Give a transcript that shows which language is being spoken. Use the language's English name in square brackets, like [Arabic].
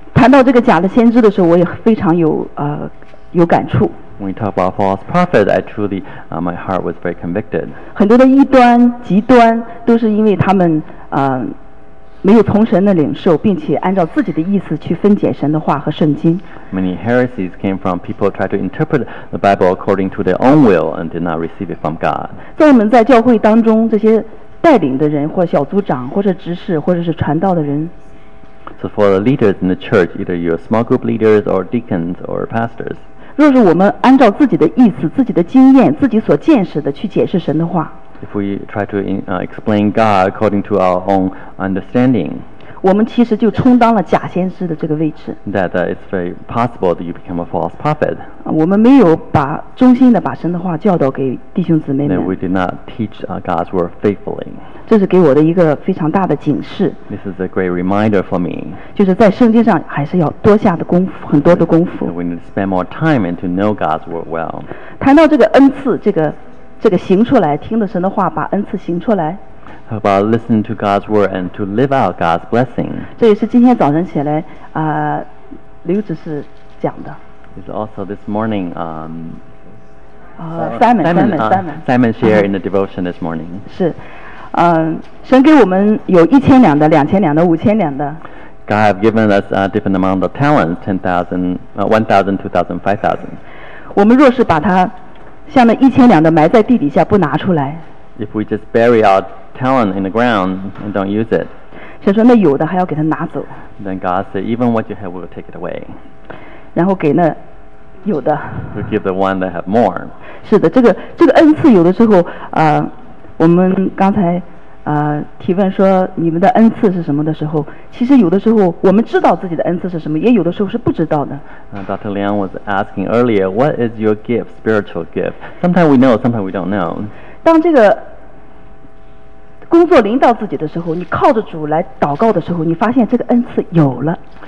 [Chinese] 谈到这个假的先知的时候，我也非常有感触。 [English] When we talk about false prophet, I truly, my heart was very convicted. [Chinese] 很多的异端、极端都是因为他们没有从神的领受，并且按照自己的意思去分解神的话和圣经。 [English] Many heresies came from people try to interpret the Bible according to their own will and did not receive it from God. [Chinese] 在我们在教会当中，这些带领的人，或小组长，或者执事，或者是传道的人。 [English] So for the leaders in the church, either you're small group leaders or deacons or pastors. [Chinese] 若是我们按照自己的意思、自己的经验、自己所见识的去解释神的话。 [English] If we try to explain God according to our own understanding, [Chinese] 我们其实就充当了假先知的这个位置。 [English] That it's very possible that you become a false prophet. [Chinese] 我们没有把忠心的把神的话教导给弟兄姊妹们。 [English] That we did not teach God's word faithfully. [Chinese] 这是给我的一个非常大的警示。 [English] This is a great reminder for me. [Chinese] 就是在圣经上还是要多下的功夫，很多的功夫。 [English] We need to spend more time and to know God's word well. [Chinese] 谈到这个恩赐，这个行出来，听的神的话，把恩赐行出来。 [English] About listening to God's word and to live out God's blessing. [Chinese] 这也是今天早晨起来，刘执事讲的。 [English] It's also this morning. Simon shared in the devotion this morning. [Chinese] 是，神给我们有1,000两的、2,000两的、5,000两的。 [English] God have given us a different amount of talents, 10,000, 1,000, 2,000, 5,000. [Chinese] 我们若是把它像那1,000两的埋在地底下不拿出来。 [English] If we just bury our talent in the ground and don't use it. [Chinese] 神说那有的还要给他拿走。 [English] Then God said, even what you have will take it away. [Chinese] 然后给那有的。 [English] To give the one that have more. [Chinese] 是的，这个恩赐有的时候，我们刚才提问说你们的恩赐是什么的时候，其实有的时候我们知道自己的恩赐是什么，也有的时候是不知道的。 [English] Dr. Liang was asking earlier, what is your gift, spiritual gift? Sometimes we know, sometimes we don't know. [Chinese] 当这个工作临到自己的时候，你靠着主来祷告的时候，你发现这个恩赐有了。